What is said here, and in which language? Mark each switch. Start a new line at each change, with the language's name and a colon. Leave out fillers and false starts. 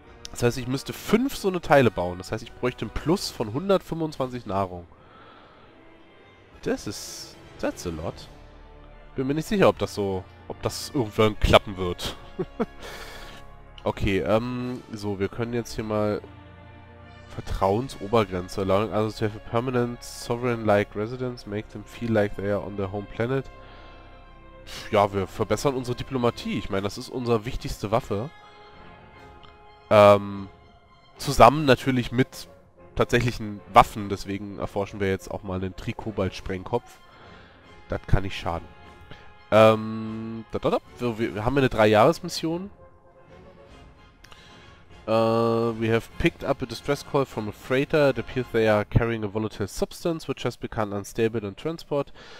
German: Das heißt, ich müsste 5 so eine Teile bauen. Das heißt, ich bräuchte ein Plus von 125 Nahrung. Das ist...
English: That's a lot.
German: Bin mir nicht sicher, ob das so... Ob das irgendwann klappen wird. Okay, so, wir können jetzt hier mal... Vertrauensobergrenze.
English: Allowing others to have a permanent sovereign-like residence. Make them feel like they are on their home planet.
German: Ja, wir verbessern unsere Diplomatie. Ich meine, das ist unsere wichtigste Waffe. Zusammen natürlich mit tatsächlichen Waffen. Deswegen erforschen wir jetzt auch mal den Trikobalt-Sprengkopf. Das kann nicht schaden. Wir haben eine 3-Jahres-Mission.
English: We have picked up a distress call from a freighter. It appears they are carrying a volatile substance, which has become unstable in transport.